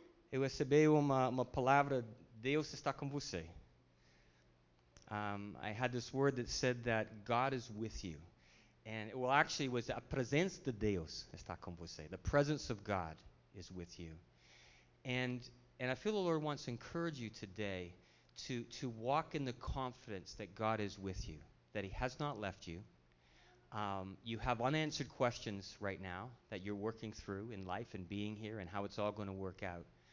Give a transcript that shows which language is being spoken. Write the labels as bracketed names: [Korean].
[Portuguese] Eu recebi uma palavra, Deus está com você. [English] I had this word that said that God is with you. And it was a [Portuguese] presença de Deus está com você. [English] The presence of God is with you. And I feel the Lord wants to encourage you today to walk in the confidence that God is with you, that he has not left you. You have unanswered questions right now that you're working through in life and being here and how it's all going to work out.